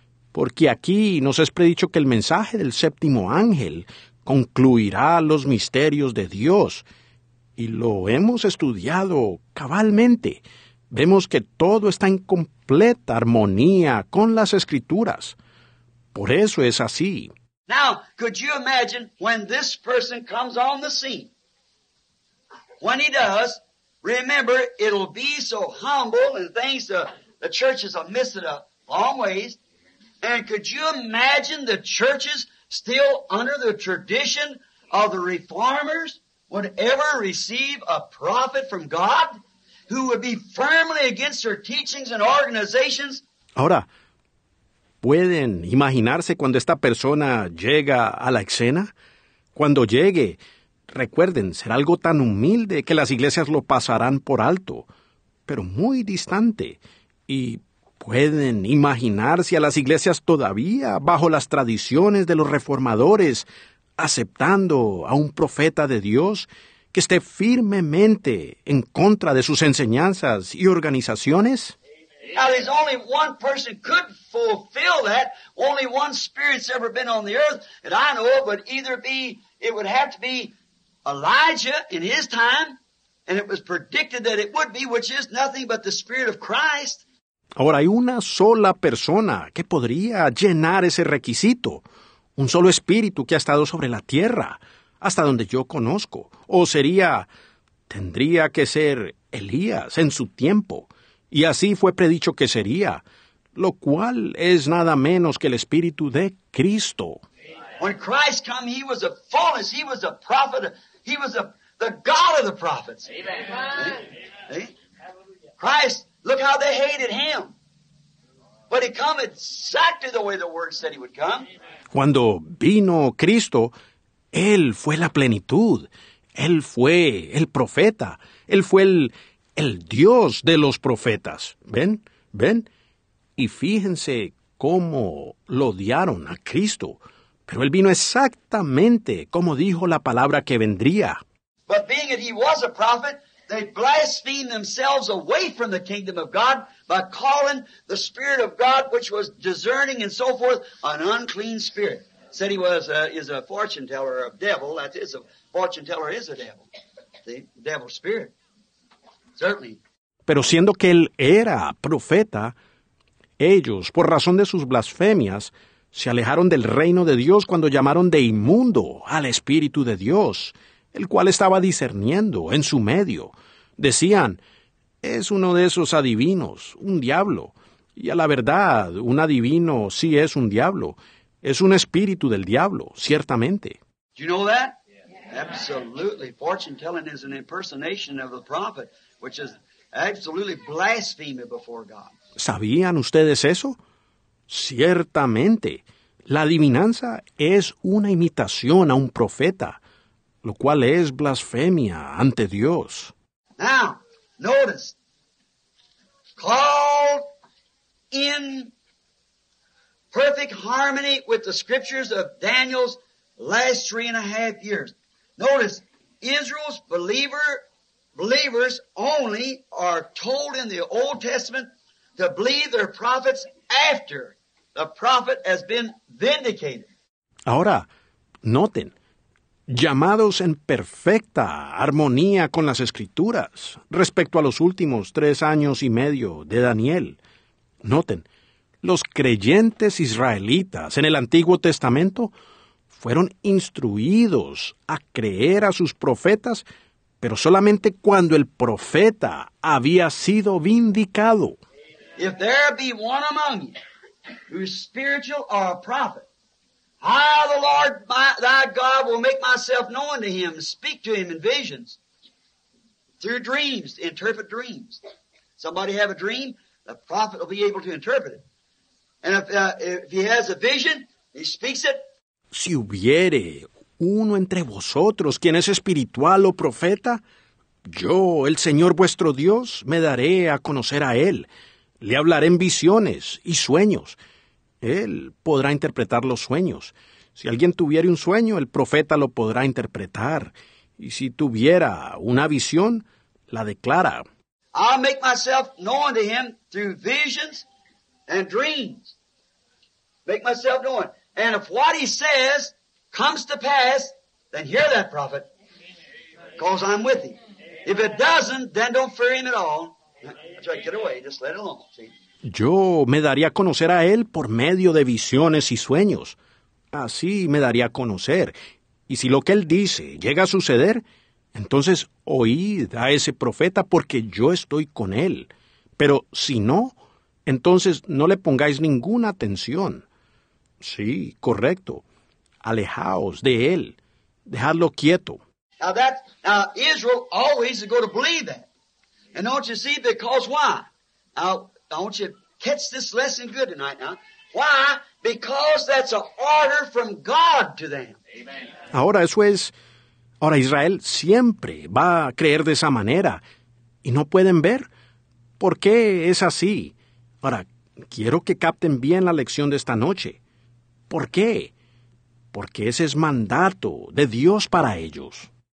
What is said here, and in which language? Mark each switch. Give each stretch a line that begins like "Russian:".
Spanish: Porque aquí nos es predicho que el mensaje del séptimo ángel concluirá los misterios de Dios. Y lo hemos estudiado cabalmente. Vemos que todo está en completa armonía con las Escrituras. Por eso es así.
English: Now, could you imagine when this person comes on the scene? When he does, remember, it'll be so humble and things the churches are missing a long ways. And could you imagine the churches still under the tradition of the reformers would ever receive a prophet from God who would be firmly against their teachings and organizations?
Spanish: Ahora, ¿pueden imaginarse cuando esta persona llega a la escena? Cuando llegue, recuerden, será algo tan humilde que las iglesias lo pasarán por alto, pero muy distante y ¿Pueden imaginarse a las iglesias todavía bajo las tradiciones de los reformadores aceptando a un profeta de Dios que esté firmemente en contra de sus enseñanzas y organizaciones?
English: Now, there's only one person could fulfill that. Only one spirit's ever been on the earth that I know of, but either be, it would have to be Elijah in his time, and it was predicted that it would be, which is nothing but the Spirit of Christ.
Spanish: Ahora, hay una sola persona que podría llenar ese requisito, un solo espíritu que ha estado sobre la tierra, hasta donde yo conozco, o sería, tendría que ser Elías en su tiempo, y así fue predicho que sería, lo cual es nada menos que el Espíritu de Cristo.
English: When Christ came, he was a fullness, he was a prophet, he was the God of the prophets. Amen. Amen. Christ, look how they hated him. But he came exactly the way the Word said he would come.
Spanish: Cuando vino Cristo, Él fue la plenitud. Él fue el profeta. Él fue el Dios de los profetas. ¿Ven? ¿Ven? Y fíjense cómo lo odiaron a Cristo. Pero Él vino exactamente como dijo la palabra que vendría.
English: But being that he was a prophet, they blasphemed themselves away from the kingdom of God by calling the Spirit of God, which was discerning and so forth, an unclean spirit. Said he was is a fortune teller, a devil. That is, a fortune teller is a devil. The devil spirit. Certainly.
Spanish: Pero siendo que él era profeta, ellos, por razón de sus blasfemias, se alejaron del reino de Dios cuando llamaron de inmundo al Espíritu de Dios, el cual estaba discerniendo en su medio. Decían, es uno de esos adivinos, un diablo. Y a la verdad, un adivino sí es un diablo. Es un espíritu del diablo, ciertamente.
English: Do you know that? Yeah. Absolutely. Fortune telling is an impersonation of the prophet, which is absolutely blasphemy before God.
Spanish: ¿Sabían ustedes eso? Ciertamente. La adivinanza es una imitación a un profeta, lo cual es blasfemia ante Dios.
English: Now, notice. Called in perfect harmony with the scriptures of Daniel's last 3.5 years. Notice, Israel's believers only are told in the Old Testament to believe their prophets after the prophet has been vindicated.
Spanish: Ahora, noten. Llamados en perfecta armonía con las Escrituras respecto a los últimos 3 años y medio de Daniel. Noten, los creyentes israelitas en el Antiguo Testamento fueron instruidos a creer a sus profetas, pero solamente cuando el profeta había sido vindicado.
English: If there be one among you who's spiritual or a prophet, I, the Lord, thy God, will make myself known to him, speak to him in visions, through dreams, interpret dreams. Somebody have a dream, the prophet will be able to interpret it. And if he has a vision, he speaks it.
Spanish: Si hubiere uno entre vosotros quien es espiritual o profeta, yo, el Señor vuestro Dios, me daré a conocer a él. Le hablaré en visiones y sueños. Él podrá interpretar los sueños. Si alguien tuviera un sueño, el profeta lo podrá interpretar. Y si tuviera una visión, la declara.
English: I'll make myself known to him through visions and dreams. Make myself known. And if what he says comes to pass, then hear that prophet, because I'm with him. If it doesn't, then don't fear him at all. That's right, get away, just let it alone, see?
Spanish: Yo me daría a conocer a él por medio de visiones y sueños. Así me daría a conocer. Y si lo que él dice llega a suceder, entonces oíd a ese profeta porque yo estoy con él. Pero si no, entonces no le pongáis ninguna atención. Sí, correcto. Alejaos de él. Dejadlo quieto.
English: Now Israel always is going to believe that. And don't you see, because why? I want you to catch this lesson good tonight now. Why? Because that's an order from God to them. Amen.
Spanish: Ahora eso es. Ahora Israel siempre va a creer de esa manera. ¿Y no pueden ver? ¿Por qué es así? Ahora, Quiero que capten bien la lección de esta noche. ¿Por qué? Porque ese es mandato de Dios para ellos.